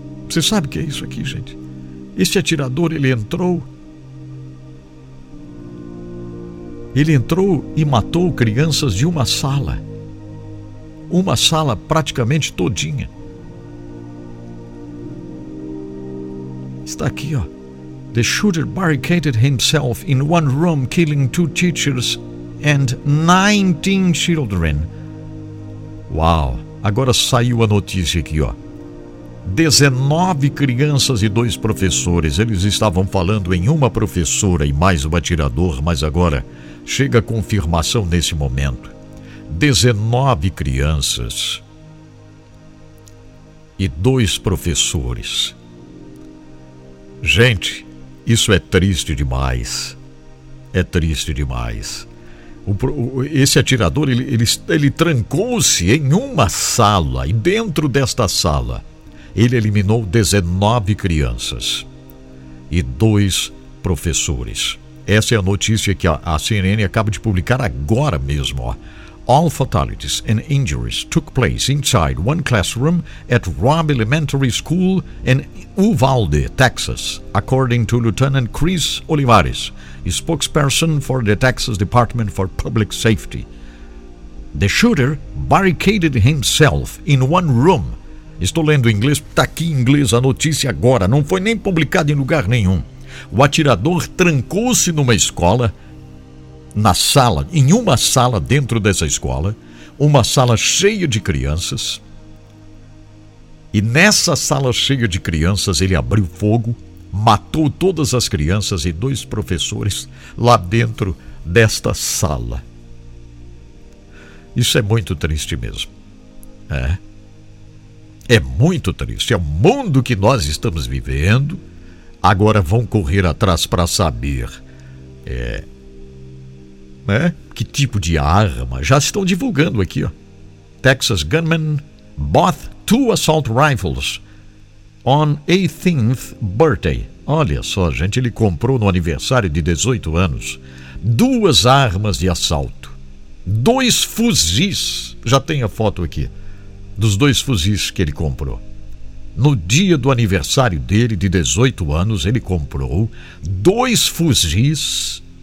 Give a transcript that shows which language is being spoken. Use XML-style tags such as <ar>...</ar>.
<pt>Você sabe o que é isso aqui, gente? Este atirador, ele entrou e matou crianças de uma sala. Uma sala praticamente todinha. Está aqui, ó.</pt> <en>The shooter barricaded himself in one room, killing two teachers and 19 children.</en> <pt>Uau! Agora saiu a notícia aqui, ó. 19 crianças e 2 professores. Eles estavam falando em uma professora e mais um atirador, mas agora chega a confirmação nesse momento. 19 crianças e 2 professores. Gente, isso é triste demais. É triste demais. Esse atirador, ele trancou-se em uma sala, e dentro desta sala, ele eliminou 19 crianças e 2 professores. Essa é a notícia que a CNN acaba de publicar agora mesmo.</pt> <en>All fatalities and injuries took place inside one classroom at Robb Elementary School in Uvalde, Texas, according to Lieutenant Chris Olivares, spokesperson for the Texas Department for Public Safety. The shooter barricaded himself in one room.</en> <pt>Estou lendo em inglês, está aqui em inglês a notícia agora, não foi nem publicada em lugar nenhum. O atirador trancou-se numa escola, na sala, em uma sala dentro dessa escola, uma sala cheia de crianças. E nessa sala cheia de crianças, ele abriu fogo, matou todas as crianças e 2 professores lá dentro desta sala. Isso é muito triste mesmo. É. É muito triste. É o mundo que nós estamos vivendo. Agora vão correr atrás para saber. É. É. Que tipo de arma. Já estão divulgando aqui, ó.</pt> <en>Texas gunman bought 2 assault rifles on 18th birthday.</en> <pt>Olha só, gente. Ele comprou no aniversário de 18 anos 2 armas de assalto. 2 fuzis, já tem a foto aqui, dos 2 fuzis que ele comprou. No dia do aniversário dele, de 18 anos, ele comprou 2 fuzis.</pt>